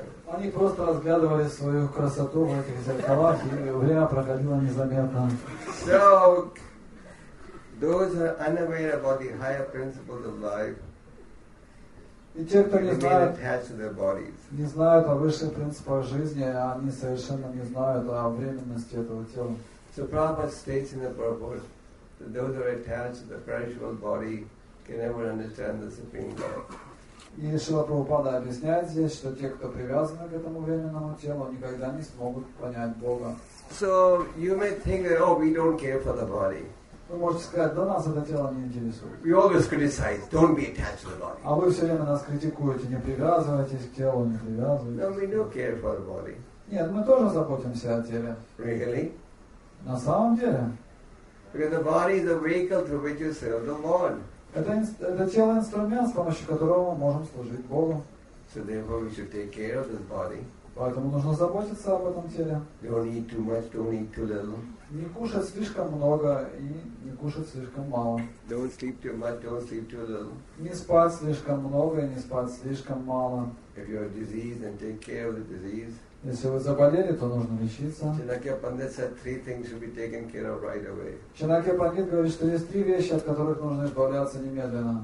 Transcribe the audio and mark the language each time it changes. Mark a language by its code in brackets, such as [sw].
[ru] Они просто разглядывали свою красоту в этих зеркалах, и время проходило незаметно. [en] So, those are unaware about the higher principles of life. [ru] И те, кто не знают о высших принципах жизни, они совершенно не знают о временности этого тела. [en] So Prabhupada states in the purport that those who are attached to the perishable body can never understand the supreme life. [ru] И Шрила Прабхупада объясняет здесь, что те, кто привязаны к этому временному телу, никогда не смогут понять Бога. [en] So you may think that, oh, we don't care for the body. [ru] Вы можете сказать, да нас это тело не интересует. [en] We always criticize, don't be attached to the body. [ru] А вы все время нас критикуете, не привязывайтесь к телу, не привязывайтесь. [en] No, we do care for the body. [ru] Нет, мы тоже заботимся о теле. [en] Really? [ru] На самом деле. [en] Because the body is a vehicle through which you serve the Lord. [ru] Это тело инструмент, с помощью которого мы можем служить Богу. [en] So therefore we should take care of this body. [ru] Поэтому нужно заботиться об этом теле. [en] Don't eat too much, don't eat too little. [ru] Не кушать слишком много и не кушать слишком мало. [en] Don't sleep too much, don't sleep too little. [ru] Не спать слишком много и не спать слишком мало. [en] If you're diseased, then take care of the disease. [ru] Если вы заболели, то нужно лечиться. [en] Чинакья Пандит said three things should be taken care of right away. [ru] Чинакья Пандит говорит, что есть три вещи, от которых нужно избавляться немедленно.